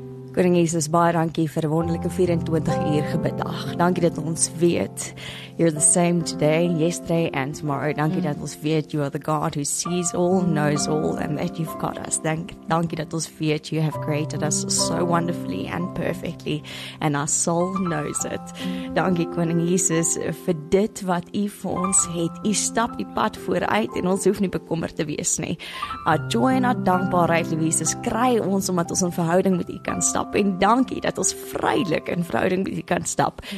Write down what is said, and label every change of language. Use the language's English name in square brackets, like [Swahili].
[Afrikaans] Koning Jesus, baie dankie vir 'n wonderlike 24 uur gebeddag. Dankie dat ons weet, [English] you're the same today, yesterday and tomorrow. [Afrikaans] Dankie dat ons weet, [English] you are the God who sees all, knows all, and that you've got us. [Afrikaans] Dankie dat ons weet, [English] you have created us so wonderfully and perfectly, and our soul knows it. [Afrikaans] Dankie Koning Jesus, vir dit wat u vir ons het, u stap die pad vooruit, en ons hoef nie bekommerd te wees nie. [English] Our joy and our [Afrikaans] dankbaarheid, Jesus, kry ons, omdat ons in verhouding met u kan stap, en dankie dat ons vrylik in verhouding met u kan stap.